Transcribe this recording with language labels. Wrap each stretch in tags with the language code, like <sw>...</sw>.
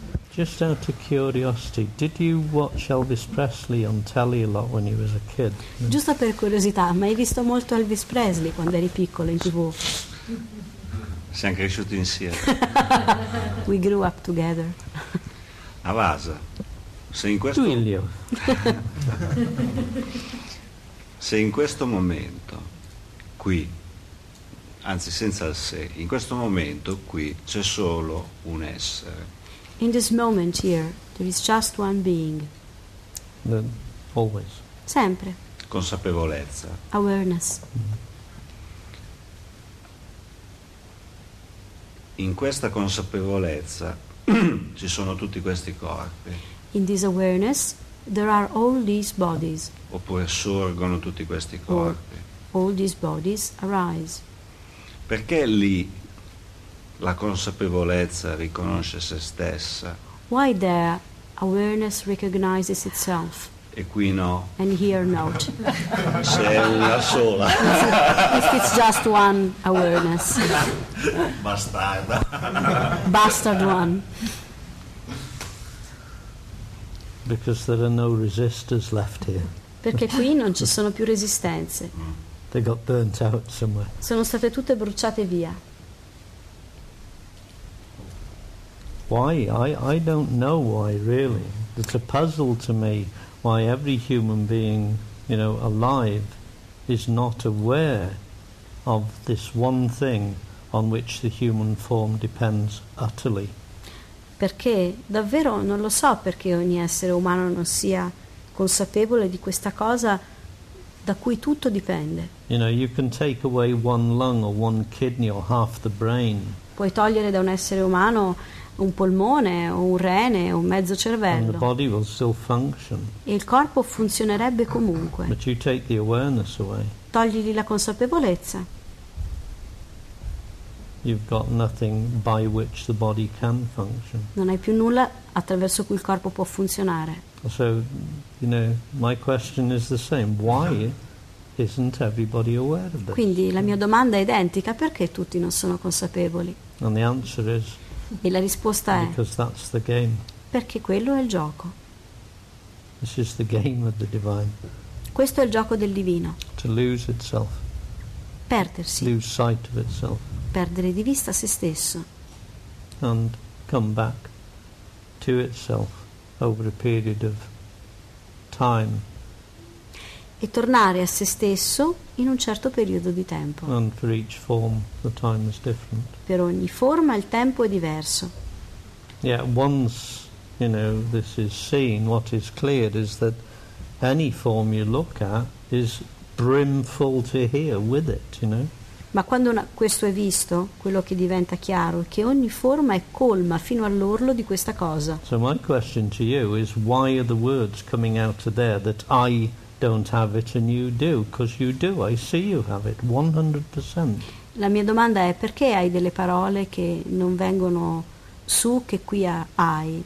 <en>Just out of curiosity, did you watch Elvis Presley on telly a lot when you was a kid?</en> <it>Giusto per curiosità, ma hai visto molto Elvis Presley quando eri piccolo in TV? Siamo cresciuti insieme.</it> <en>We grew up together.</en> <it>Avasa, se in questo... Duilio. Se in questo momento, qui, anzi senza il sé, in questo momento qui c'è solo un essere.</it> <en>In this moment here, there is just one being. Then, always.</en> <it>Sempre. Consapevolezza.</it> <en>Awareness.</en> <it>In questa consapevolezza ci sono tutti questi corpi.</it> <en>In this awareness, there are all these bodies.</en> <it>Oppure sorgono tutti questi corpi.</it> <en>All these bodies arise.</en> <it>Perché lì la consapevolezza riconosce se stessa?</it> <en>Why there awareness recognizes itself?</en> <it>E qui no.</it> <en>And here not.</en> <it>Se è una sola.</it> <en>If it's just one awareness.</en> <it>Bastarda.</it> <en>Bastard one. Because there are no resistors left here.</en> <it>Perché qui non ci sono più resistenze.</it> <en>They got burnt out somewhere.</en> <it>Sono state tutte bruciate via.</it> <en>Why? I don't know why, really. It's a puzzle to me why every human being, you know, alive is not aware of this one thing on which the human form depends utterly.</en> <it>Perché? Davvero non lo so perché ogni essere umano non sia consapevole di questa cosa da cui tutto dipende.</it> <en>You know, you can take away one lung or one kidney or half the brain.</en> <it>Puoi togliere da un essere umano un polmone o un rene o un mezzo cervello.</it> <en>And the body will still function.</en> <it>E il corpo funzionerebbe comunque.</it> <en>But you take the awareness away.</en> <it>Togligli la consapevolezza.</it> <en>You've got nothing by which the body can function.</en> <it>Non hai più nulla attraverso cui il corpo può funzionare.</it> <en>So, you know, my question is the same. Why isn't everybody aware of this?</en> <it>Quindi la mia domanda è identica. Perché tutti non sono consapevoli?</it> <en>And the answer is,</en> <it>e la risposta è</it> <en>because that's the game.</en> <it>Perché quello è il gioco.</it> <en>This is the game of the divine.</en> <it>Questo è il gioco del divino.</it> <en>To lose itself.</en> <it>Perdersi.</it> <en>Lose sight of itself.</en> <it>Perdere di vista se stesso.</it> <en>And come back to itself over a period of time.</en> <it>E tornare a se stesso in un certo periodo di tempo.</it> <en>And for each form, the time is different.</en> <it>Per ogni forma il tempo è diverso.</it> <en>Yeah, once, you know, this is seen, what is cleared is that any form you look at is brimful to here with it, you know.</en> <it>Ma quando questo è visto, quello che diventa chiaro è che ogni forma è colma fino all'orlo di questa cosa.</it> <en>So my question to you is, why are the words coming out of there that I don't have it and you do? Because you do, I see you have it 100%.</en> <it>La mia domanda è, perché hai delle parole che non vengono su che qui hai?</it>